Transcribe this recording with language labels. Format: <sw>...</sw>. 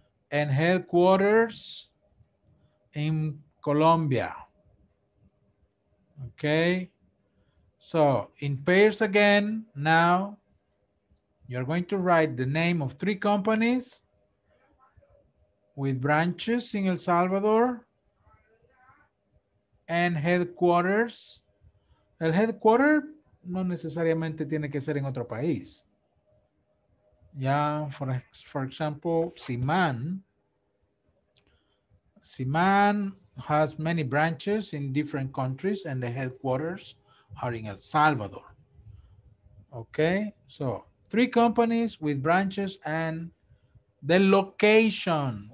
<en>And headquarters in Colombia. Ok. So, in pairs again, now, you're going to write the name of three companies with branches in El Salvador and headquarters.</en> <es>El headquarter no necesariamente tiene que ser en otro país.</es> <en>Yeah, for example, Siman has many branches in different countries and the headquarters are in El Salvador. Okay, so three companies with branches and the location.</en>